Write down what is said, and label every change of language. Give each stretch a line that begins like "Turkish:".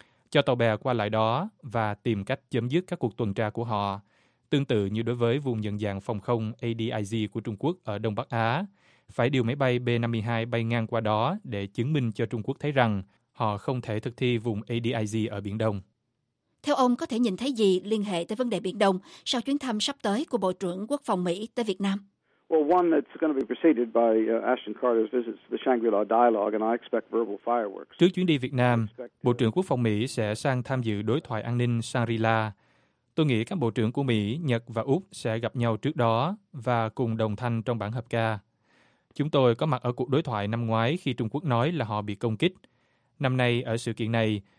Vietnamese: Cho tàu bè qua lại đó và tìm cách chấm dứt các cuộc tuần tra của họ, tương tự như đối với vùng nhận dạng phòng không ADIZ của Trung Quốc ở Đông Bắc Á, phải điều máy bay B-52 bay ngang qua đó để chứng minh cho Trung Quốc thấy rằng họ không thể thực thi vùng ADIZ ở Biển Đông. Theo ông, có thể nhìn thấy gì liên hệ tới vấn đề Biển Đông sau chuyến thăm sắp tới của Bộ trưởng Quốc phòng Mỹ tới Việt Nam?
English: Well, one that's going to be preceded by Ashton Carter's visits to the Shangri-La dialogue, and I expect verbal fireworks.
Vietnamese: Trước chuyến đi Việt Nam, Bộ trưởng Quốc phòng Mỹ sẽ sang tham dự đối thoại an ninh Shangri-La. Tôi nghĩ các bộ trưởng của Mỹ, Nhật và Úc sẽ gặp nhau trước đó và cùng đồng thanh trong bản hợp ca. Chúng tôi có mặt ở cuộc đối thoại năm ngoái khi Trung Quốc nói là họ bị công kích. Năm nay ở sự kiện này,